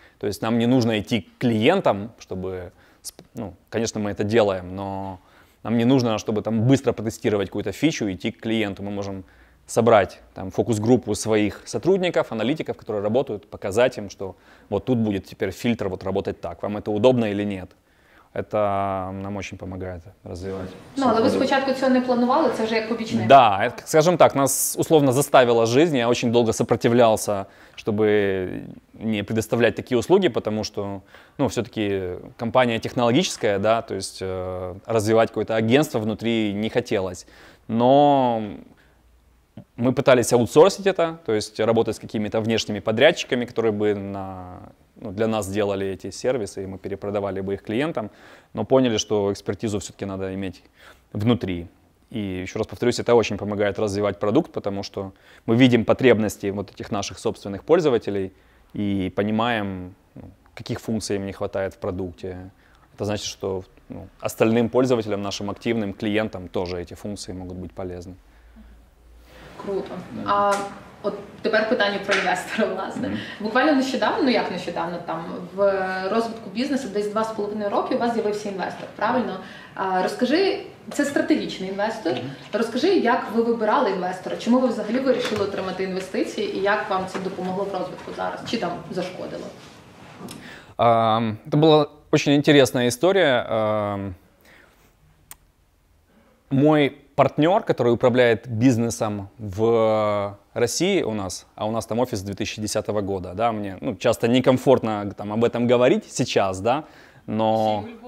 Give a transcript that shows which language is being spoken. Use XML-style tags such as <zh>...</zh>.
<ru>То есть нам не нужно идти к клиентам, чтобы, ну, конечно, мы это делаем, но нам не нужно, чтобы там быстро протестировать какую-то фичу, идти к клиенту. Мы можем собрать там фокус-группу своих сотрудников, аналитиков, которые работают, показать им, что вот тут будет теперь фильтр вот работать так. Вам это удобно или нет? Это нам очень помогает развивать.</ru> <uk>Ну, але вы спочатку цього не планували, це вже як побічне.</uk> <ru>Да, скажем так, нас условно заставила жизнь, я очень долго сопротивлялся, чтобы не предоставлять такие услуги, потому что, ну, все-таки компания технологическая, да, то есть развивать какое-то агентство внутри не хотелось. Но мы пытались аутсорсить это, то есть работать с какими-то внешними подрядчиками, которые бы на... Ну, для нас делали эти сервисы, и мы перепродавали бы их клиентам, но поняли, что экспертизу все-таки надо иметь внутри. И еще раз повторюсь, это очень помогает развивать продукт, потому что мы видим потребности вот этих наших собственных пользователей и понимаем, каких функций им не хватает в продукте. Это значит, что ну, остальным пользователям, нашим активным клиентам тоже эти функции могут быть полезны. Круто. Да.</ru> <uk>От тепер питання про інвестора, власне. Буквально нещодавно, ну як нещодавно, там, в розвитку бізнесу десь 2.5 роки у вас з'явився інвестор, правильно? Розкажи, це стратегічний інвестор, розкажи, як ви вибирали інвестора, чому ви взагалі вирішили отримати інвестиції і як вам це допомогло в розвитку зараз, чи там зашкодило? Це була дуже цікава історія.</uk> <ru>Мой партнер, который управляет бизнесом в России у нас, а у нас там офис 2010 года, да, мне ну, часто некомфортно там, об этом говорить сейчас, да, но...</ru>